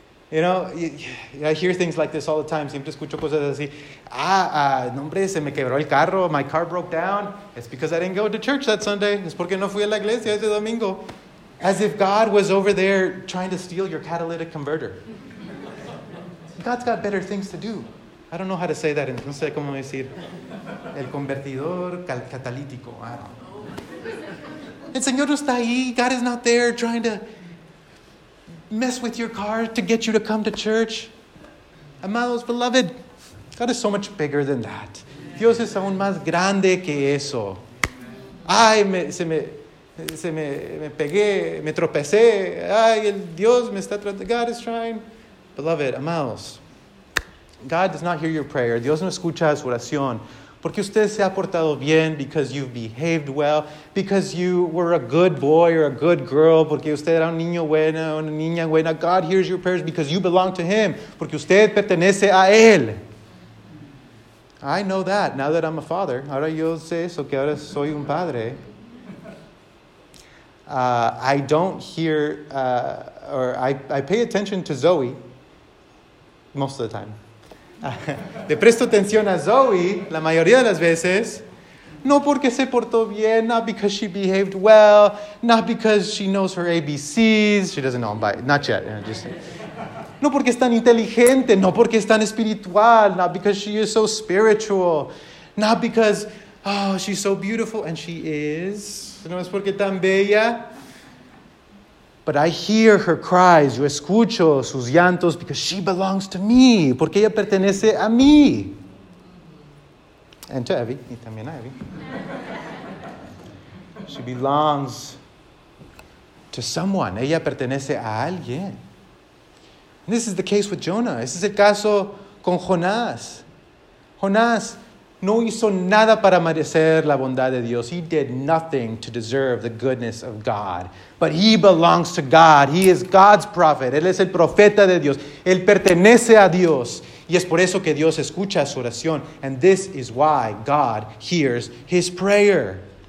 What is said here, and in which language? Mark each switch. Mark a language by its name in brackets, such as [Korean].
[English] You know, I hear things like this all the time. [Spanish] Siempre escucho cosas así. Hombre, se me quebró el carro. [English] My car broke down. It's because I didn't go to church that Sunday. [Spanish] Es porque no fui a la iglesia ese domingo. [English] As if God was over there trying to steal your catalytic converter. God's got better things to do. I don't know how to say that. [Spanish] No sé cómo decir. El convertidor catalítico. [English] I don't know. [Spanish] El Señor no está ahí. [English] God is not there trying to mess with your car to get you to come to church. Amados, beloved, God is so much bigger than that. [Spanish] Dios es aún más grande que eso. Ay, me pegué, me tropecé. Ay, el Dios me está tratando. [English] God is trying. Beloved, amados, God does not hear your prayer. [Spanish] Dios no escucha su oración. Porque usted se ha portado bien, [English] because you've behaved well, because you were a good boy or a good girl, [Spanish] porque usted era un niño bueno, una niña buena. [English] God hears your prayers because you belong to Him, [Spanish] porque usted pertenece a Él. [English] I know that now that I'm a father. [Spanish] Ahora yo sé eso, que ahora soy un padre. [English] I don't hear, I pay attention to Zoe most of the time. [Spanish] Le presto atención a Zoe la mayoría de las veces, no porque se portó bien, [English] not because she behaved well, not because she knows her ABCs, she doesn't know them by, not yet, just, [Spanish] no porque es tan inteligente, no porque es tan espiritual, [English] not because she is so spiritual, not because, oh, she's so beautiful, and she is, [Spanish] no es porque tan bella. [English] But I hear her cries, [Spanish] yo escucho sus llantos, [English] because she belongs to me, [Spanish] porque ella pertenece a mí. [English] And to Evie, [Spanish] y también a Evie. [English] She belongs to someone, [Spanish] ella pertenece a alguien. [English] And this is the case with Jonah, [Spanish] este es el caso con Jonás. Jonás no hizo nada para merecer la bondad de Dios. [English] He did nothing to deserve the goodness of God. But he belongs to God. He is God's prophet. [Spanish] Él es el profeta de Dios. Él pertenece a Dios. Y es por eso que Dios escucha su oración. [English] And this is why God hears his prayer.